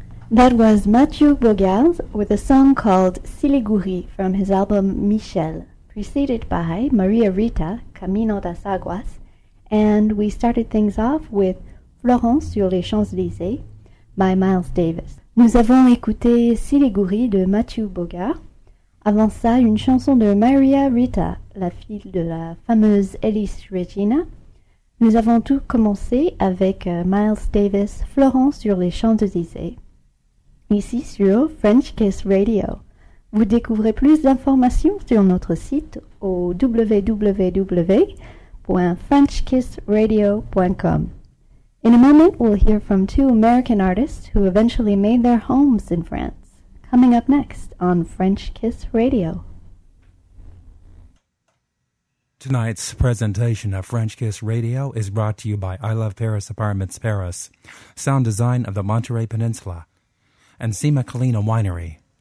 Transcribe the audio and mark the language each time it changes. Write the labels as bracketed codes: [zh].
[en] That was Mathieu Bogarde with a song called Siliguri from his album Michel, preceded by Maria Rita, Camino das Aguas, and we started things off with Florence sur les Champs-Élysées by Miles Davis. [fr] Nous avons écouté Siliguri de Mathieu Bogarde. Avant ça, une chanson de Maria Rita, la fille de la fameuse Elis Regina. Nous avons tout commencé avec Miles Davis, Florence sur les Champs-Élysées. Ici sur French Kiss Radio. Vous découvrez plus d'informations sur notre site au www.frenchkissradio.com. [en] In a moment, we'll hear from two American artists who eventually made their homes in France. Coming up next on French Kiss Radio. Tonight's presentation of French Kiss Radio is brought to you by I Love Paris Apartments Paris, sound design of the Monterey Peninsula, and Sima Kalina Winery.